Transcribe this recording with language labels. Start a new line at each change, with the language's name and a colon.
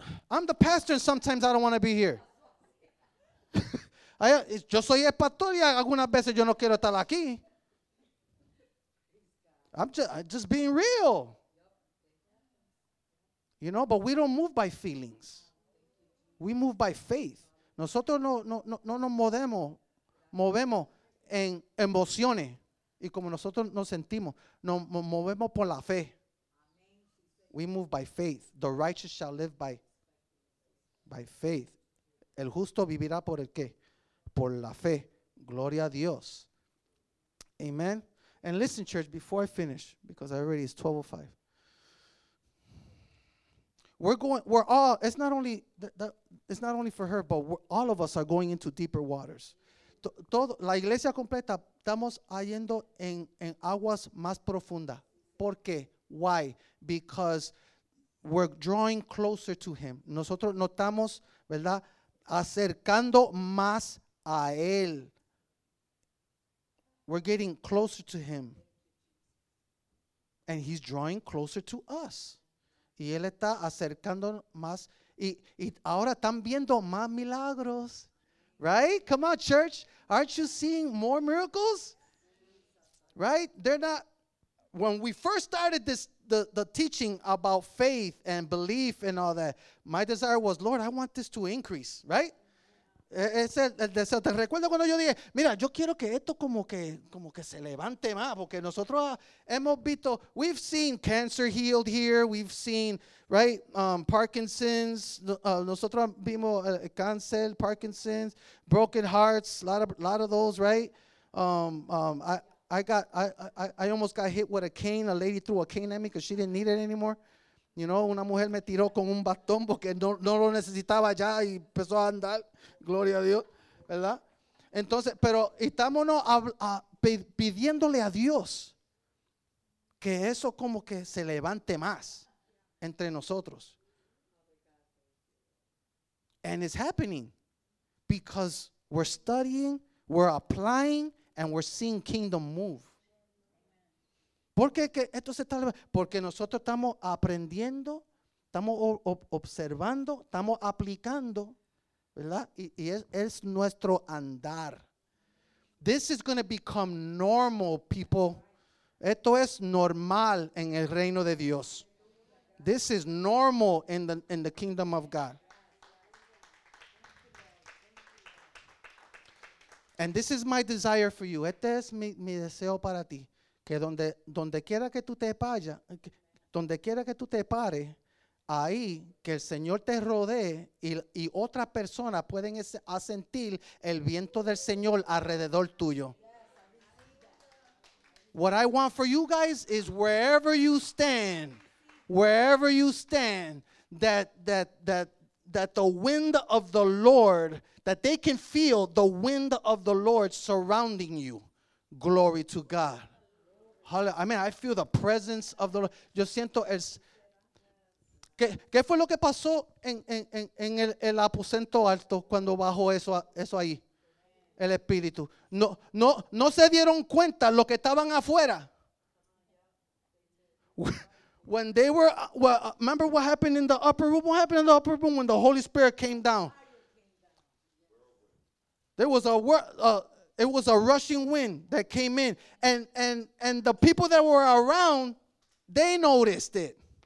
English: I'm the pastor, and sometimes I don't want to be here.
Spanish: Yo soy el pastor y algunas veces yo no quiero estar aquí.
English: I'm just being real. You know, but we don't move by feelings. We move by faith.
Spanish: Nosotros no nos movemos en emociones y como nosotros nos sentimos. Nos movemos por la fe.
English: We move by faith. The righteous shall live by faith.
Spanish: El justo vivirá por el qué? Por la fe. Gloria a Dios. Amen.
English: And listen, church, before I finish, because I already is 12:05. It's not only for her, but all of us are going into deeper waters.
Spanish: La iglesia completa, estamos yendo en aguas más profundas. ¿Por qué?
English: Why? Because we're drawing closer to him.
Spanish: Nosotros nos estamos, ¿verdad?, acercando más a él.
English: We're getting closer to him. And he's drawing closer to us.
Spanish: Y él está acercando más. Y ahora están viendo más milagros.
English: Right? Come on, church. Aren't you seeing more miracles? Right? They're not. When we first started this, the teaching about faith and belief and all that, my desire was, Lord, I want this to increase.
Spanish: Right? Es el deseo. ¿Te recuerdas cuando yo dije, mira, yo quiero que esto como que se levante más? Porque nosotros hemos visto,
English: we've seen cancer healed here. We've seen, right, Parkinson's.
Spanish: Nosotros vimos
English: cancer, Parkinson's, broken hearts, a lot of those, right? I almost got hit with a cane. A lady threw a cane at me because she didn't need it anymore. You know,
Spanish: una mujer me tiró con un bastón porque no lo necesitaba ya y empezó a andar. Gloria a Dios, ¿verdad? Entonces, pero estamos pidiéndole a Dios que eso como que se levante más entre nosotros.
English: And it's happening because we're studying, we're applying, and we're seeing kingdom move.
Spanish: ¿Por qué que esto se está levantando? Porque nosotros estamos aprendiendo, estamos observando, estamos aplicando, ¿verdad? Y es nuestro andar.
English: This is going to become normal, people.
Spanish: Esto es normal en el reino de Dios.
English: This is normal in the kingdom of God. And this is my desire for you.
Spanish: Este es mi deseo para ti. Que donde quiera que tú te vayas, donde quiera que tú te pares, ahí que el Señor te rodee y otras personas pueden sentir el viento del Señor alrededor tuyo.
English: What I want for you guys is wherever you stand, that the wind of the Lord, that they can feel the wind of the Lord surrounding you. Glory to God. I mean, I feel the presence of the Lord.
Spanish: Yo siento el. ¿Qué fue lo que pasó en el aposento alto cuando bajó eso ahí? El Espíritu. No se dieron cuenta lo que estaban afuera.
English: When they were, well, remember what happened in the upper room? What happened in the upper room when the Holy Spirit came down? There was It was a rushing wind that came in. And the people that were around, they noticed it.